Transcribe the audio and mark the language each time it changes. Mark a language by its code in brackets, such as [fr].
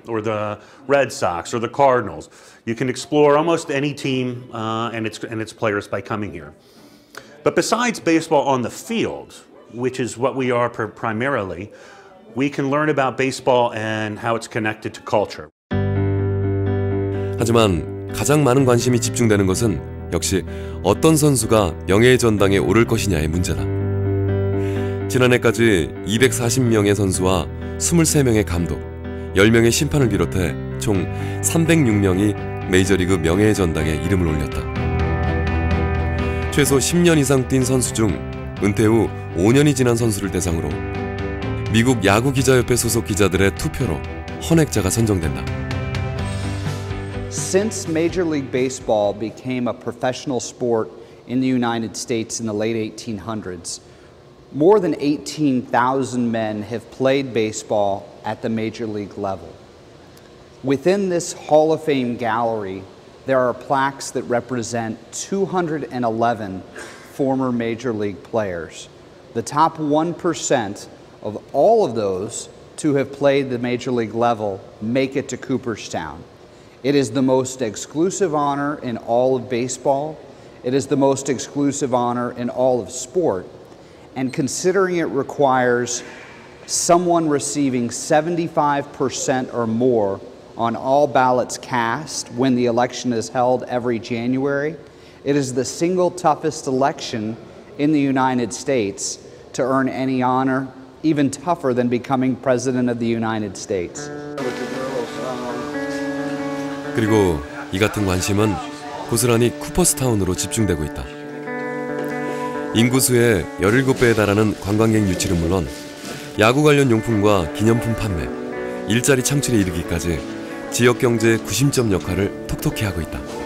[en] Or the Red Sox or the Cardinals. You can explore almost any team and its players by coming here. But besides baseball on the field, which is what we are primarily, we can learn about baseball and how it's connected to culture. [ko] 하지만 가장 많은 관심이 집중되는 것은 역시 어떤 선수가 명예의 전당에 오를 것이냐의 문제다. 지난해까지 240명의 선수와 23명의 감독, 10명의 심판을 비롯해 총 306명이 메이저리그 명예의 전당에 이름을 올렸다. 최소 10년 이상 뛴 선수 중 은퇴 후 5년이 지난 선수를 대상으로 미국 야구기자협회 소속 기자들의 투표로 헌액자가 선정된다. [en] Since Major League Baseball became a professional sport in the United States in the late 1800s, more than 18,000 men have played baseball at the Major League level. Within this Hall of Fame gallery, there are plaques that represent 211 former Major League players. The top 1% of all of those to have played the Major League level make it to Cooperstown. It is the most exclusive honor in all of baseball. It is the most exclusive honor in all of sport. And considering it requires someone receiving 75% or more on all ballots cast when the election is held every January, it is the single toughest election in the United States to earn any honor, even tougher than becoming President of the United States. [ko] 그리고 이 같은 관심은 고스란히 쿠퍼스타운으로 집중되고 있다. 인구수의 17배에 달하는 관광객 유치를 물론 야구 관련 용품과 기념품 판매, 일자리 창출에 이르기까지 지역 경제의 구심점 역할을 톡톡히 하고 있다.